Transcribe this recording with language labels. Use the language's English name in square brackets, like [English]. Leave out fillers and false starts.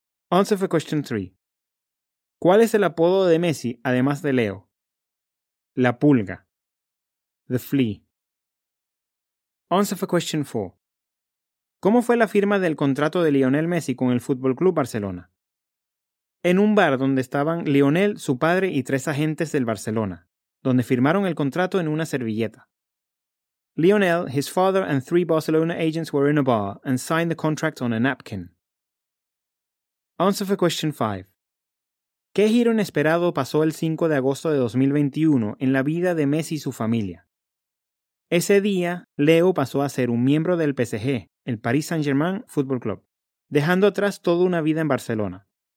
[English] Answer for question 3. [Spanish] ¿Cuál es el apodo de Messi, además de Leo? La pulga. [English] The flea. Answer for question 4. [Spanish] ¿Cómo fue la firma del contrato de Lionel Messi con el FC Barcelona? En un bar donde estaban Lionel, su padre y 3 agentes del Barcelona, donde firmaron el contrato en una servilleta. [English] Lionel, his father and 3 Barcelona agents were in a bar and signed the contract on a napkin. Answer for question 5. [Spanish] ¿Qué giro inesperado pasó el 5 de agosto de 2021 en la vida de Messi y su familia? Ese día, Leo pasó a ser un miembro del PSG, el Paris Saint-Germain Football Club, dejando atrás toda una vida en Barcelona.